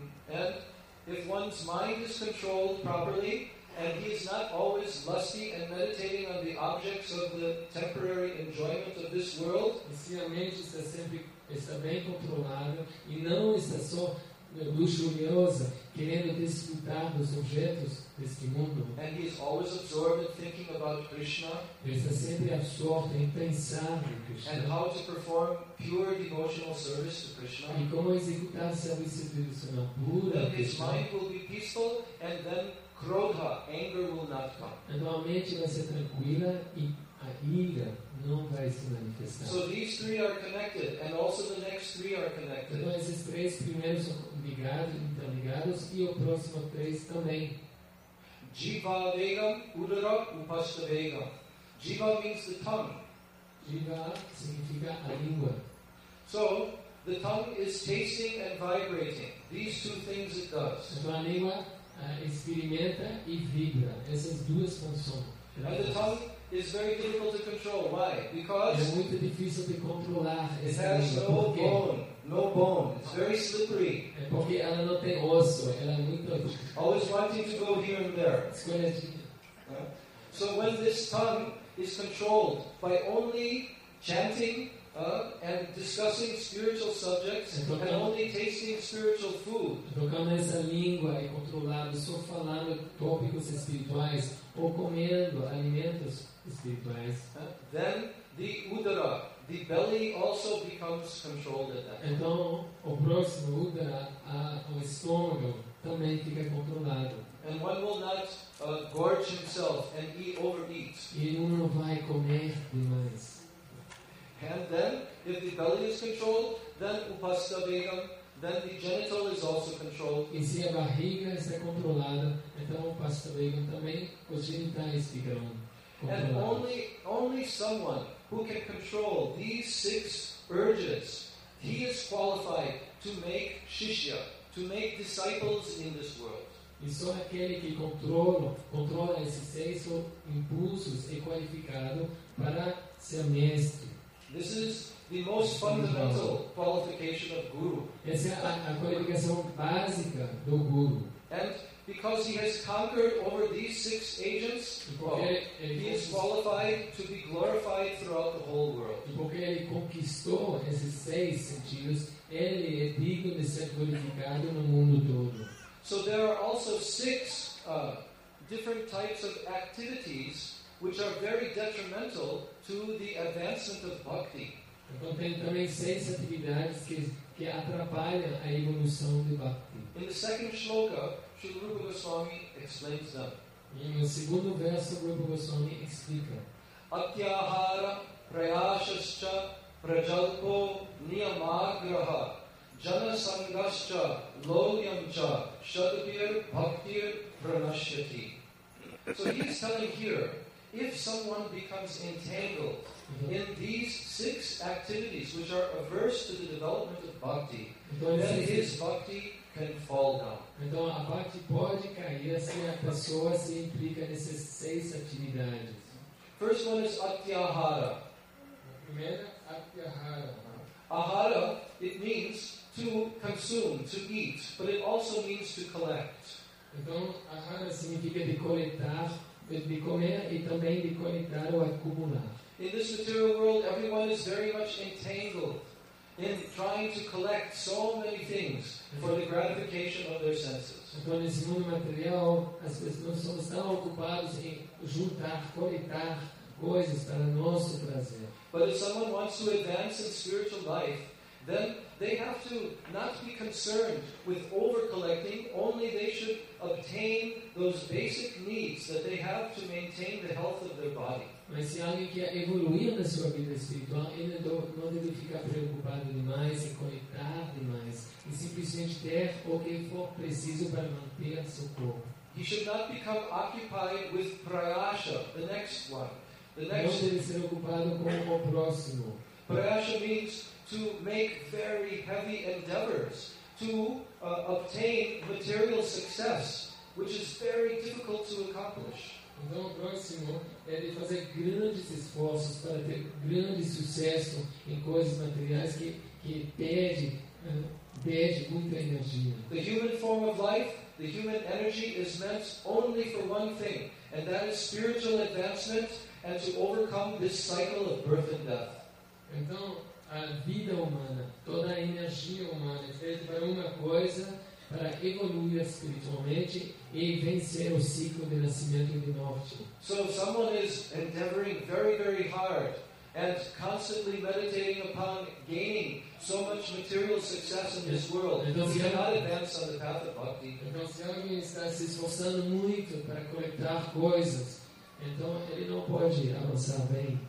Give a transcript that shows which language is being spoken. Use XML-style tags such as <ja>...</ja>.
<en>And if one's mind is controlled properly, and he is not always lusty and meditating on the objects of the temporary enjoyment of this world,</en> <pt>se a mente está sempre está bem controlada e não está só luxuriosa, querendo desfrutar dos objetos deste mundo.</pt> <en>And he is always absorbed in thinking about Krishna.</en> <pt>Ele está sempre absorto em pensar em Krishna.</pt> <en>And how to perform pure devotional service to Krishna.</en> <pt>E como executar serviço devocional puro a Krishna.</pt> <en>His mind will be peaceful, and then krodha, anger will not come.</en> <pt>Então a mente vai ser tranquila e a ira não vai se manifestar.</pt> <en>So these three are connected, and also the next three are connected.</en> <pt>Então esses três primeiros são ligados, interligados, e o próximo três também.</pt> <sa>Jiva vegam, udara, upasta vegam.</sa> <en>Jiva means the tongue.</en> <pt>Jiva significa a língua.</pt> <en>So the tongue is tasting and vibrating. These two things it does.</en> <pt>Então a língua experimenta e vibra. Essas duas funções.</pt> <en>And the tongue is very difficult to control. Why? Because</en> <pt>é muito difícil de controlar.</pt> <en>It has no bone. No bone. It's very slippery.</en> <pt>É porque ela não tem osso. Ela é muito.</pt> <en>Always wanting to go here and there. So when this tongue is controlled by only chanting and discussing spiritual subjects and only tasting spiritual food.</en> <pt>Tocando essa língua e controlando, só falando tópicos espirituais ou comendo alimentos espirituais.</pt> <en>Then the udara, the belly also becomes controlled at that.</en> <pt>Então o próximo udara, o estômago também fica controlado.</pt> <en>And one will not gorge himself and overeat.</en> <pt>E um não vai comer demais.</pt> <en>And then, if the belly is controlled, then upasta vegam, then the genital is also controlled.</en> <pt>E se a barriga está controlada, então upasta vegam também, os genitais ficarão controlados.</pt> <en>And only someone who can control these six urges, he is qualified to make shishya, to make disciples in this world.</en> <pt>E só aquele que controla esses seis impulsos é qualificado para ser mestre.</pt> <en>This is the most fundamental qualification of guru.</en> <pt>Essa é a qualificação básica do guru.</pt> <en>And because he has conquered over these six agents, he is qualified to be glorified throughout the whole world.</en> <pt>E porque ele conquistou esses seis sentidos, ele é digno de ser glorificado no mundo todo.</pt> <en>So there are also six different types of activities which are very detrimental to the advancement of bhakti.</en> <pt>Então tem também seis atividades que atrapalham a evolução de bhakti.</pt> <en>In the second shloka, Srila Rupa Goswami explains them.</en> <pt>E no segundo verso, Rupa Goswami explica.</pt> <sa>Atyahara prayashascha prajalpo niyamagraha janasangascha lonyamcha shadbir bhaktir pranashyati.</sa> <en>So he's telling here, if someone becomes entangled in these six activities which are averse to the development of bhakti,</en> <pt>então,</pt> <en>then his bhakti can fall down.</en> <pt>Então a bhakti pode cair se a pessoa se implica nessas seis atividades.</pt> <en>First one is atyahara.</en> <pt>Primeiro, atyahara.</pt> <en>Ahara, it means to consume, to eat, but it also means to collect.</en> <pt>Então ahara significa de coletar, de comer e também de coletar ou acumular.</pt> <en>In this material world, everyone is very much entangled in trying to collect so many things for the gratification of their senses.</en> <pt>Então, nesse mundo material, as pessoas são tão ocupadas em juntar, coletar coisas para nosso prazer.</pt> <en>But if someone wants to advance in spiritual life, then they have to not be concerned with over-collecting, only they should obtain those basic needs that they have to maintain the health of their body.</en> <pt>Mas se alguém quer evoluir na sua vida espiritual, ele não deve ficar preocupado demais e conectar demais, e simplesmente ter o que for preciso para manter seu corpo.</pt> <en>He should not become occupied with prayasha, the next one. The next</en> <pt>não deve ser ocupado com o próximo.</pt> <en>Prayasha means to make very heavy endeavors to obtain material success, which is very difficult to accomplish.</en> <pt>Então, o próximo é de fazer grandes esforços para ter grande sucesso em coisas materiais que pede muita energia.</pt> <en>The human form of life, the human energy is meant only for one thing, and that is spiritual advancement and to overcome this cycle of birth and death.</en> <pt>Então, a vida humana, toda a energia humana é feita para uma coisa, para evoluir espiritualmente e vencer o ciclo de nascimento e de morte.</pt> <en>So someone is endeavoring very, very hard and constantly meditating upon gaining so much material success in this world.</en> <pt>Então,</pt> <en>he cannot advance on the path of bhakti.</en> <pt>Então, se alguém está se esforçando muito para coletar coisas, então ele não pode avançar bem.</pt>